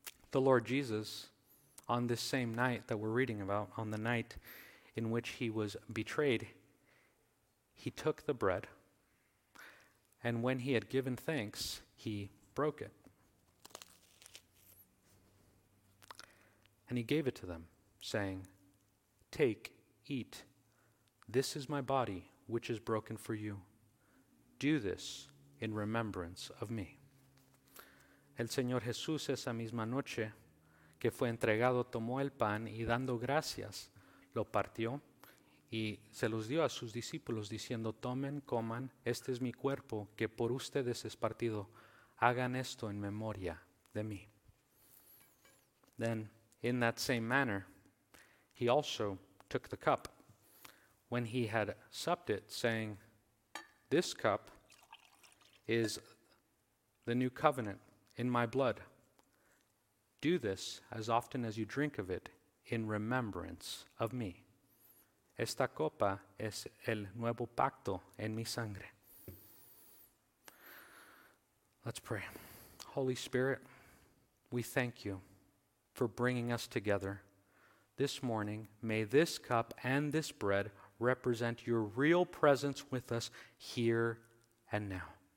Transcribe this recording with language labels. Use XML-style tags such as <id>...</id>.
<en>The Lord Jesus, on this same night that we're reading about, on the night in which he was betrayed, he took the bread, and when he had given thanks, he broke it. And he gave it to them, saying, "Take, eat. This is my body, which is broken for you. Do this in remembrance of me."</en> <es>El Señor Jesús, esa misma noche que fue entregado, tomó el pan y dando gracias, lo partió y se los dio a sus discípulos diciendo, tomen, coman, este es mi cuerpo que por ustedes es partido. Hagan esto en memoria de mí.</es> <en>Then, in that same manner, he also took the cup when he had supped it, saying, this cup is the new covenant in my blood. Do this as often as you drink of it in remembrance of me.</en> <es>Esta copa es el nuevo pacto en mi sangre.</es> <en>Let's pray. Holy Spirit, we thank you for bringing us together this morning. May this cup and this bread represent your real presence with us here and now.</en>